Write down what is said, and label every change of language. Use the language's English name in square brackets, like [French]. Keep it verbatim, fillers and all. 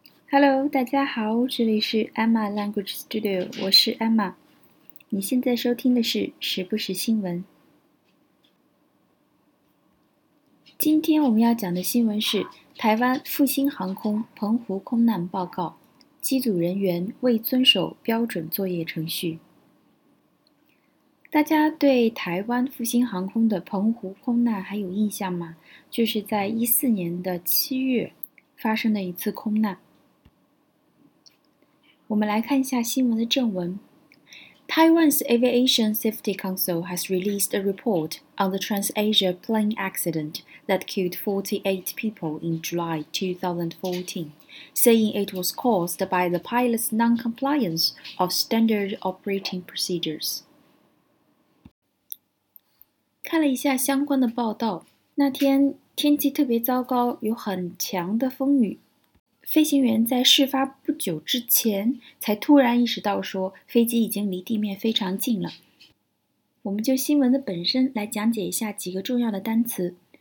[Chinese] Hello， 大家好，这里是 Emma Language Studio， 我是 Emma。你现在收听的是时不时新闻。今天我们要讲的新闻是台湾复兴航空澎湖空难报告，机组人员未遵守标准作业程序。大家对台湾复兴航空的澎湖空难还有印象吗？就是在一四年的七月发生的一次空难。我们来看一下新闻的正文。 [English] Taiwan's Aviation Safety Council has released a report on the Trans-Asia plane accident that killed forty-eight people in July twenty fourteen, saying it was caused by the pilot's non-compliance of standard operating procedures. [Chinese] 看了一下相关的报道，那天天气特别糟糕，有很强的风雨。飞行员在事发不久之前才突然意识到说飞机已经离地面非常近了。我们就新闻的本身来讲解一下几个重要的单词。